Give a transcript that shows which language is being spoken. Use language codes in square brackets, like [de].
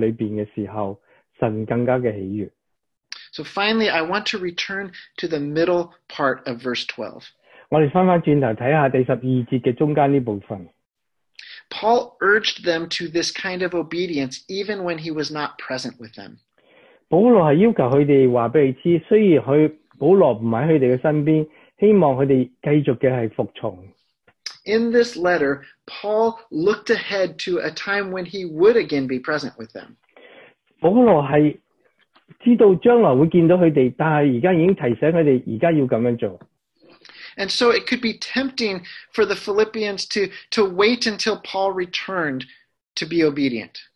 [zh] 我们有表现出我们有这个神的形象在这个世界里面的时候，神更加的喜悦。 [en] So finally, I want to return to the middle part of verse 12. [zh] 我们回头看一下第12节的中间这部分。 [en] Paul urged them to this kind of obedience even when he was not present with them. [zh] 保罗是要求他们告诉他们，虽然保罗不在他们的身边，希望他们继续的是服从。 [en] In this letter, Paul looked ahead to a time when he would again be present with them. [zh] 保罗是知道将来会见到他们，但是现在已经提醒他们，现在要这样做。 [en] And so it could be tempting for the Philippians to wait until Paul returned to be obedient.